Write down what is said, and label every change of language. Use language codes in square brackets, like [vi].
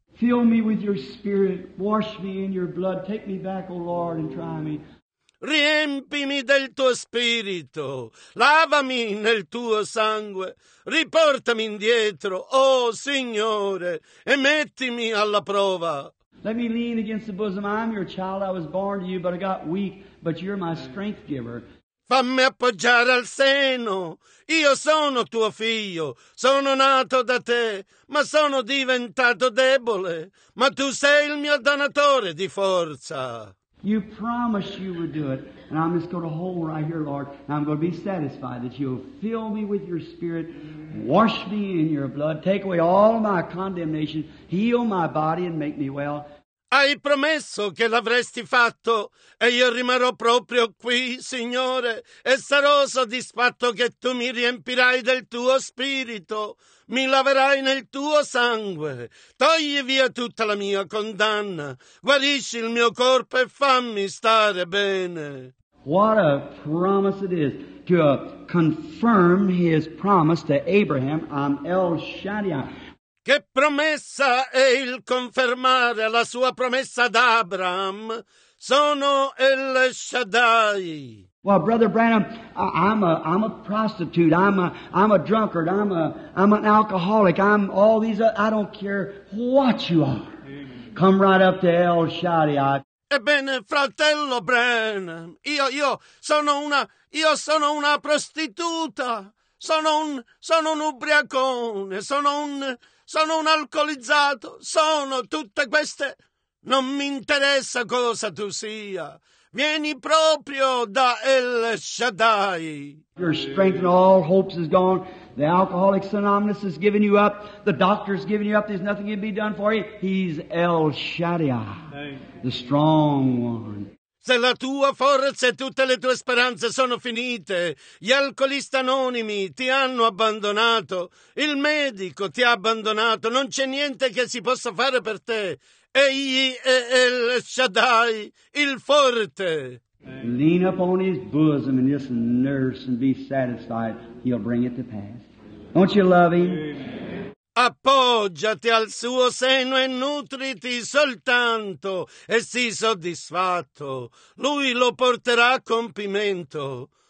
[en] Fill me with your spirit, wash me in your blood, take me back, O Lord, and try me. [it] Riempimi del tuo spirito, lavami nel tuo sangue, riportami indietro, oh Signore, e mettimi alla prova. [en] Let me lean against the bosom. I'm your child, I was born to you, but I got weak, but you're my strength giver. [it] Fammi appoggiare al seno, io sono tuo figlio, sono nato da te, ma sono diventato debole, ma tu sei il mio donatore di forza. [en] You promised you would do it, and I'm just going to hold right here, Lord, and I'm going to be satisfied that you'll fill me with your spirit, wash me in your blood, take away all my condemnation, heal my body and make me well. [it] Hai promesso che l'avresti fatto, e io rimarrò proprio qui, Signore, e sarò soddisfatto che tu mi riempirai del tuo spirito. Mi laverai nel tuo sangue, togli via tutta la mia condanna, guarisci il mio corpo e fammi stare bene. [en] What a promise it is to confirm his promise to Abraham, I'm El Shaddai. [it] Che promessa è il confermare la sua promessa ad Abraham, sono El Shaddai. [en] Well, Brother Branham, I'm a prostitute, I'm a drunkard, I'm an alcoholic, I'm all these, I don't care what you are. Amen. Come right up to El Shaddai. [it] Ebbene, fratello Branham, io sono una prostituta, sono un ubriacone, sono un alcolizzato, sono tutte queste, non mi interessa cosa tu sia. Vieni proprio da El Shaddai. [en] Your strength and all hopes is gone. The Alcoholics Anonymous has given you up. The doctor's given you up. There's nothing can be done for you. He's El Shaddai, the strong one. [it] Se la tua forza e tutte le tue speranze sono finite, gli alcolisti anonimi ti hanno abbandonato, il medico ti ha abbandonato, non c'è niente che si possa fare per te. Egli è El Shaddai, il forte. [en] Lean upon his bosom and just nurse and be satisfied. He'll bring it to pass. Don't you love him? [it] Appoggiati al suo seno e nutriti soltanto e sii soddisfatto. Lui lo porterà a compimento.